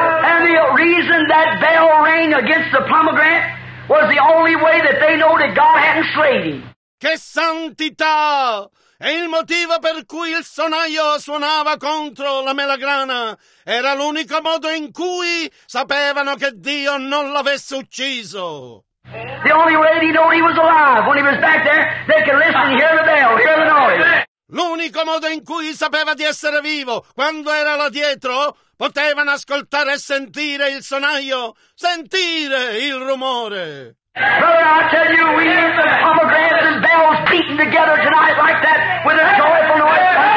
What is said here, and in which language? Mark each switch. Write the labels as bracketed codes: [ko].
[en] And the reason that bell rang against the pomegranate was the only way that they know that God hadn't slain him. [it] Che santità! E il motivo per cui il sonaglio suonava contro la melagrana era l'unico modo in cui sapevano che Dio non l'avesse ucciso. [en] The only way they know he was alive when he was back there, they could listen, hear the bell, hear the noise. [it] L'unico modo in cui sapeva di essere vivo, quando era là dietro, potevano ascoltare e sentire il sonaglio, sentire il rumore. [en] Brother, I tell you, we hear the pomegranates and bells beating together tonight like that, with a joyful noise.